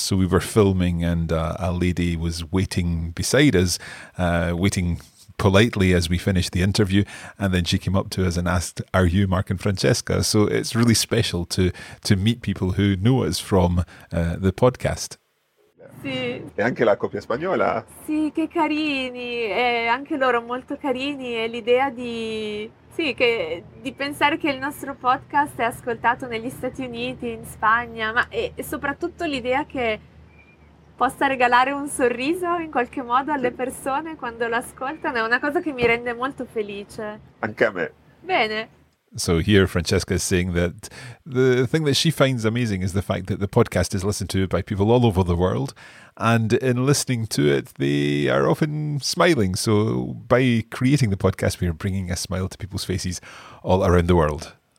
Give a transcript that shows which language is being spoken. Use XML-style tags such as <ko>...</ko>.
<en>So we were filming and a lady was waiting beside us, waiting politely as we finished the interview. And then she came up to us and asked, "Are you Mark and Francesca?" So it's really special to meet people who know us from the podcast.</en> <it>Sì. E anche la coppia spagnola? Sì, che carini, anche loro molto carini e l'idea di, sì, che, di pensare che il nostro podcast è ascoltato negli Stati Uniti, in Spagna, ma e soprattutto l'idea che possa regalare un sorriso in qualche modo alle sì. persone quando lo ascoltano è una cosa che mi rende molto felice. Anche a me. Bene.</it> <en>So here Francesca is saying that the thing that she finds amazing is the fact that the podcast is listened to by people all over the world, and in listening to it, they are often smiling. So by creating the podcast, we are bringing a smile to people's faces all around the world.</en>